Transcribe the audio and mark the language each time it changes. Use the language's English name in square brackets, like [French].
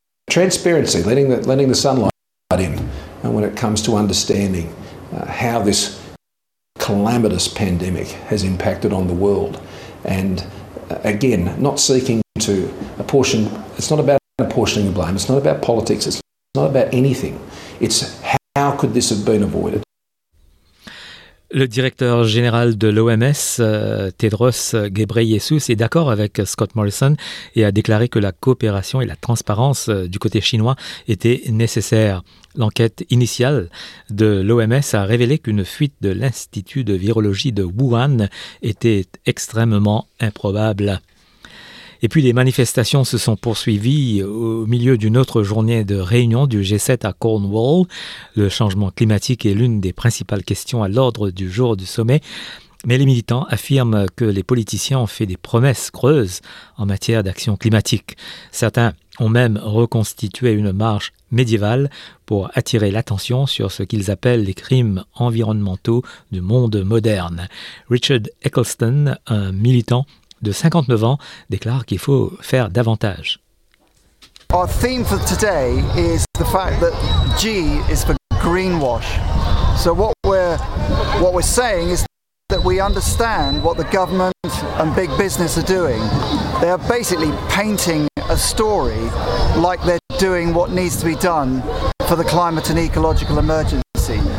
[English] Transparency, letting the sunlight in when it comes to understanding how this calamitous pandemic has impacted on the world. And again, not seeking to apportion, it's not about apportioning the blame, it's not about politics, it's not about anything. It's how could this have been avoided? [French] Le directeur général de l'OMS, Tedros Ghebreyesus, est d'accord avec Scott Morrison et a déclaré que la coopération et la transparence du côté chinois étaient nécessaires. L'enquête initiale de l'OMS a révélé qu'une fuite de l'Institut de virologie de Wuhan était extrêmement improbable. Et puis les manifestations se sont poursuivies au milieu d'une autre journée de réunion du G7 à Cornwall. Le changement climatique est l'une des principales questions à l'ordre du jour du sommet. Mais les militants affirment que les politiciens ont fait des promesses creuses en matière d'action climatique. Certains ont même reconstitué une marche médiévale pour attirer l'attention sur ce qu'ils appellent les crimes environnementaux du monde moderne. Richard Eccleston, un militant de 59 ans, déclare qu'il faut faire davantage. [English] Our theme for today is the fact that G is for greenwash. So what we're saying is that we understand what the government and big business are doing. They are basically painting a story like they're doing what needs to be done for the climate and ecological emergency.